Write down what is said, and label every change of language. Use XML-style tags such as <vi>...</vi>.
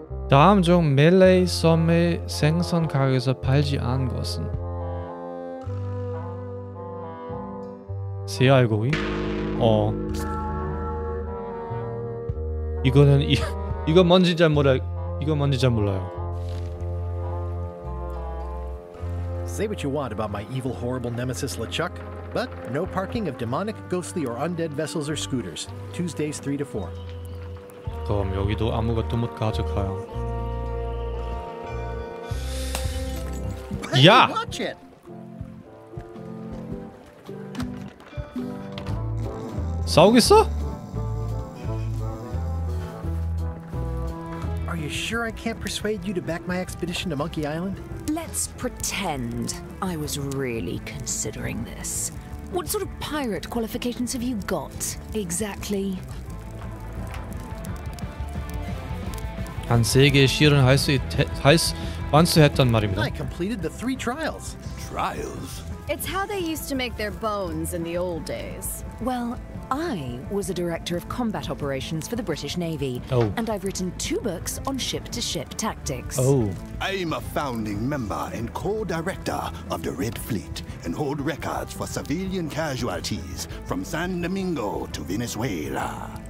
<ko>다음 중 멜레이 섬의 생선 가게에서 팔지 않은 것은? 새알고기? 이거는 이거 뭔지 잘 몰라. 이거 뭔지 잘 몰라요.</ko> <en>Say what you want about my evil, horrible nemesis LeChuck, but no parking of demonic, ghostly, or undead vessels or scooters. Tuesdays 3 to 4.</en> <ko>그럼 여기도 아무것도 못 가져가요.</ko> <en>Hey, yeah. Watch it. So what is it? Are you sure I can't persuade you to back my expedition to Monkey Island? Let's pretend I was really considering this. What sort of pirate qualifications have you got, exactly?</en> <ko>한 세 개의 시연을 완수 했단 말입니다.</ko> <en>I completed the three trials. Trials? It's how they used to make their bones in the old days. Well, I was a director of combat operations for the British Navy. Oh. And I've written two books on ship-to-ship tactics. Oh. I'm a founding member and co-director of the Red Fleet and hold records for civilian casualties from San Domingo to Venezuela.</en>